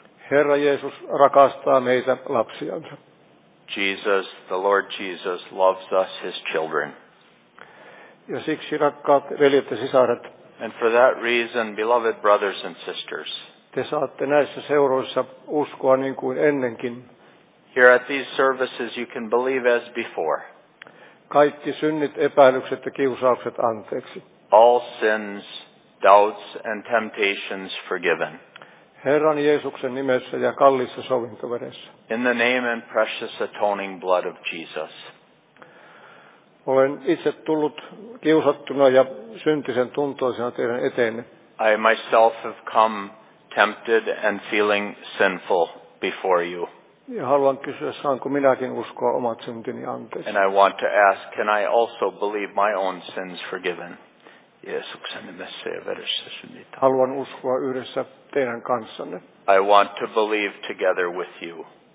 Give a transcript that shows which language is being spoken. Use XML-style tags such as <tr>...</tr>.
<fi>Herra Jeesus rakastaa meitä lapsiansa.</fi> <en>Jesus, the Lord Jesus, loves us, his children.</en> <fi>Ja siksi, rakkaat veljet ja sisaret,</fi> <en>and for that reason, beloved brothers and sisters,</en> <fi>te saatte näissä seuroissa uskoa niin kuin ennenkin.</fi> <en>Here at these services you can believe as before.</en> <fi>Kaikki synnit, epäilykset ja kiusaukset anteeksi.</fi> <en>All sins, doubts and temptations forgiven.</en> <fi>Herran Jeesuksen nimessä ja kallissa sovintoveressä.</fi> <en>In the name and precious atoning blood of Jesus.</en> <fi>Olen itse tullut kiusattuna ja syntisen tuntoisena teidän eteenne.</fi> <en>I myself have come tempted and feeling sinful before you.</en> <fi>Ja haluan kysyä, saanko minäkin uskoa omat syntini anteeksi.</fi> <en>And I want to ask, can I also believe my own sins forgiven?</en> <fi>Jeesuksen nimessä ja veressä synnit. Haluan uskoa yhdessä teidän kanssanne.</fi> <en>I want to believe together with you.</en>